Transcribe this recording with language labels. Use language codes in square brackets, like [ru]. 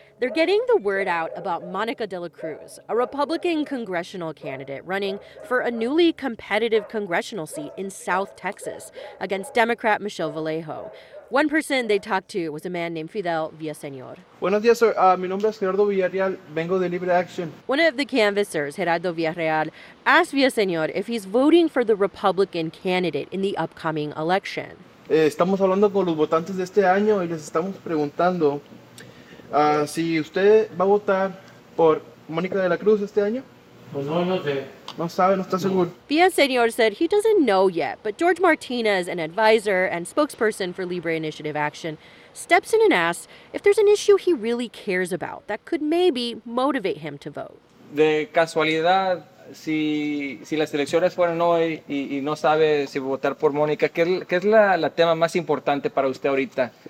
[en] They're getting the word out about Monica de la Cruz, a Republican congressional candidate running for a newly competitive congressional seat in South Texas against Democrat Michelle Vallejo. One person they talked to was a man named Fidel Villaseñor. [es] Buenos días, sir. Mi nombre es Gerardo Villarreal. Vengo de Libre Action. [en] One of the canvassers, Gerardo Villarreal, asked Villaseñor if he's voting for the Republican candidate in the upcoming election. [es] Estamos hablando con los votantes de este año y les estamos preguntando si usted va a votar por Mónica de la Cruz este año. [en] Villaseñor said he doesn't know yet, but George Martinez, an advisor and spokesperson for Libre Initiative Action, steps in and asks if there's an issue he really cares about that could maybe motivate him to vote. [es] De casualidad, si las elecciones fueran hoy y no sabe si votar por Mónica, ¿qué es la tema más importante para usted ahorita?